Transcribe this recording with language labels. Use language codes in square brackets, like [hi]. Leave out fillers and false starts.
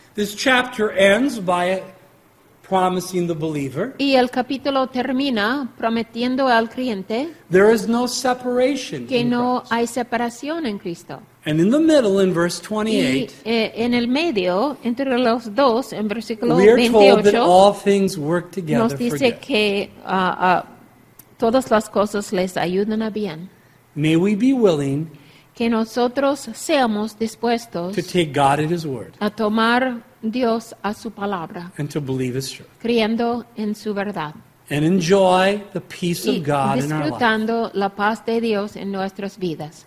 [en] This chapter ends by promising the believer. [es] Y el capítulo termina prometiendo al creyente. [en] There is no separation. [es] Que no hay separación en Cristo. [en] And in the middle, in verse 28. [es] Y en el medio, entre los dos, en versículo 28. [en] We are told that all things work together. [es] Nos dice que todas las cosas les ayudan a bien. [en] May we be willing. [es] Que nosotros seamos dispuestos. [en] To take God at His word. [es] A tomar Dios a su palabra. [en] And to believe His truth. [es] Creyendo en su verdad. [en] And enjoy the peace of God in our lives. [es] Disfrutando la paz de Dios en nuestras vidas.